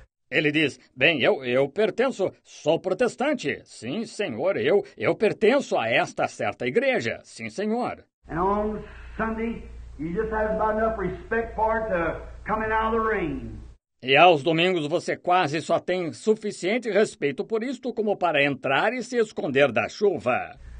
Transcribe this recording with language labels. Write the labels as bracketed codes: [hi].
[pt] Ele diz, bem, eu pertenço, sou protestante. Sim, senhor, eu pertenço a esta certa igreja. Sim, senhor. [en] E no Sunday, you just have about enough respect for it coming out of the rain. [pt] E aos domingos você quase só tem suficiente respeito por isto como para entrar e se esconder da chuva.